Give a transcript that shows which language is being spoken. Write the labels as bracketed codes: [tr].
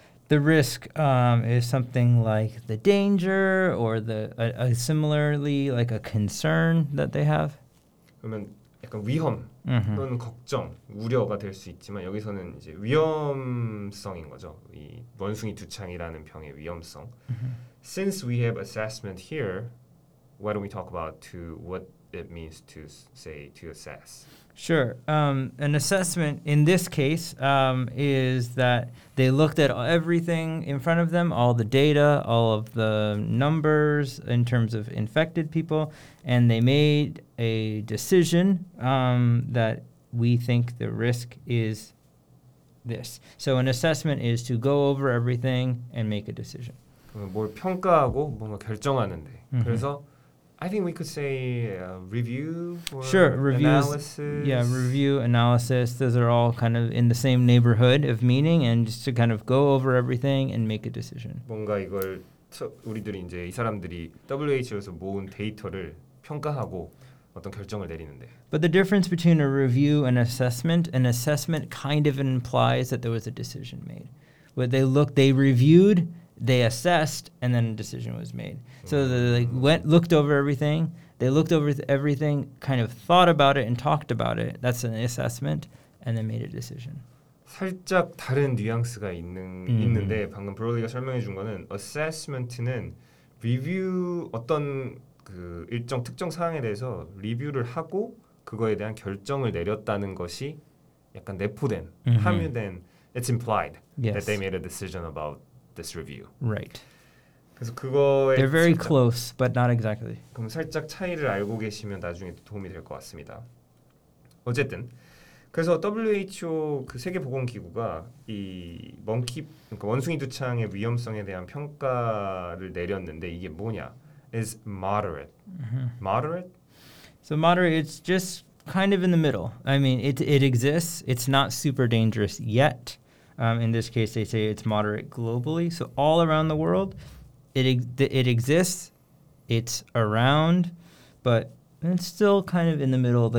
[en] is something like the danger or the similarly like a concern that they have. [ko] 그러면 약간 위험 또는 걱정, 우려가 될 수 있지만 여기서는 이제 위험성인 거죠. 이 원숭이 두창이라는 병의 위험성. [en] Since we have assessment here, why don't we talk about to what it means to say to assess? Sure. An assessment in this case is that they looked at everything in front of them, all the data, all of the numbers in terms of infected people, and they made a decision that we think the risk is this. So an assessment is to go over everything and make a decision. [ko] 뭘 평가하고 뭔가 결정하는데. Mm-hmm. [en] 그래서 I think we could say review or sure, analysis. Yeah, review, analysis. Those are all kind of in the same neighborhood of meaning and just to kind of go over everything and make a decision. [ko] 뭔가 이걸 우리들이 이제 이 사람들이 WHO에서 모은 데이터를 평가하고 어떤 결정을 내리는데. [en] But the difference between a review and an assessment kind of implies that there was a decision made. Where they looked, they reviewed They assessed, and then a decision was made. So they went, looked over everything. They looked over everything, kind of thought about it and talked about it. That's an assessment, and then made a decision. [ko] 살짝 다른 뉘앙스가 있는데 방금 브로리가 설명해 준 거는 assessment는 review 어떤 그 일정 특정 사항에 대해서 리뷰를 하고 그거에 대한 결정을 내렸다는 것이 약간 내포된 함유된 [en] it's implied yes. that they made a decision about. This review. Right. [ko] 그래서 그거에 [en] They're very close, but not exactly. [ko] 그럼 살짝 차이를 알고 계시면 나중에 도움이 될 것 같습니다. 어쨌든 그래서 WHO 그 세계보건기구가 이 monkey 그러니까 원숭이 두창의 위험성에 대한 평가를 내렸는데 이게 뭐냐? [en] Is moderate. Mm-hmm. Moderate? So moderate it's just kind of in the middle. I mean, it exists. It's not super dangerous yet. In this case, they say it's moderate globally. So all around the world, it exists, it's around, but it's still kind of in the middle.